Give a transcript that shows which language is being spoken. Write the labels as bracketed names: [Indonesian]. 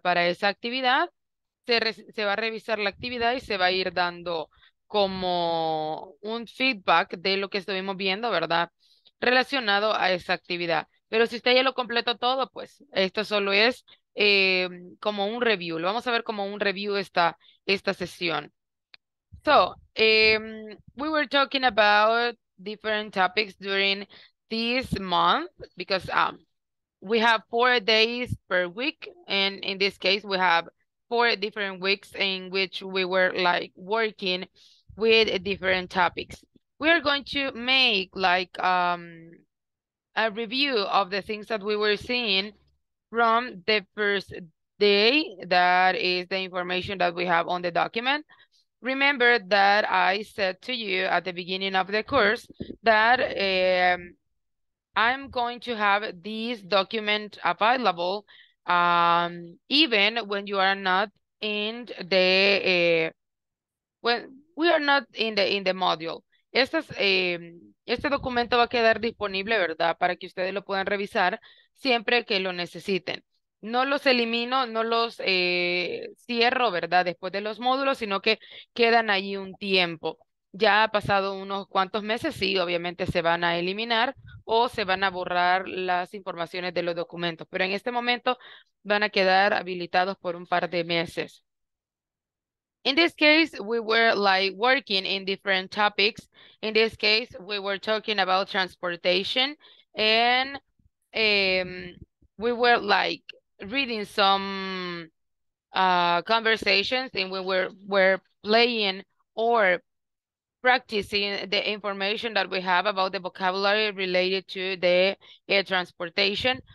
[Spanish] Para esa actividad, se va a revisar la actividad y se va a ir dando como un feedback de lo que estuvimos viendo, ¿verdad? Relacionado a esa actividad. Pero si usted ya lo completó todo, pues esto solo es como un review. Lo vamos a ver como un review esta sesión. [English] So, we were talking about different topics during this month because we have 4 days per week. And in this case, we have 4 different weeks in which we were like working with different topics. We are going to make like a review of the things that we were seeing from the first day. That is the information that we have on the document. Remember that I said to you at the beginning of the course that I'm going to have these documents available even when you are not in the we are not in the module. [Spanish] Este documento va a quedar disponible, ¿verdad? Para que ustedes lo puedan revisar siempre que lo necesiten. No los elimino, no los cierro, ¿verdad? Después de los módulos, sino que quedan ahí un tiempo. Ya ha pasado unos cuantos meses, sí, obviamente se van a eliminar o se van a borrar las informaciones de los documentos. Pero en este momento van a quedar habilitados por un par de meses. [English] In this case, we were like working in different topics. In this case, we were talking about transportation and we were like reading some conversations and we were playing or practicing the information that we have about the vocabulary related to the transportation.